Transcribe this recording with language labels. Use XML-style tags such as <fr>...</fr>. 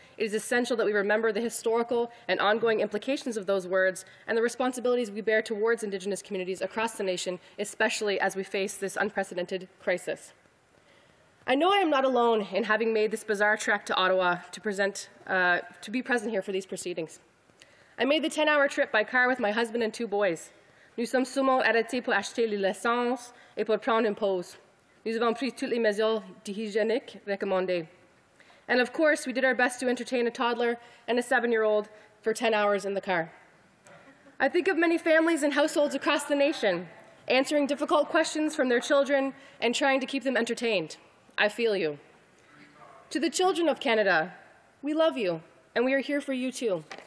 <en>It is essential that we remember the historical and ongoing implications of those words and the responsibilities we bear towards Indigenous communities across the nation, especially as we face this unprecedented crisis. I know I am not alone in having made this bizarre trek to Ottawa to be present here for these proceedings. I made the 10-hour trip by car with my husband and two boys.</en> <fr>Nous sommes souvent arrêtés pour acheter l'essence et pour prendre une pause. Nous avons pris toutes les mesures d'hygiénique recommandées.</fr> <en>And of course, we did our best to entertain a toddler and a 7-year-old for 10 hours in the car. I think of many families and households across the nation answering difficult questions from their children and trying to keep them entertained. I feel you. To the children of Canada, we love you and we are here for you too.</en>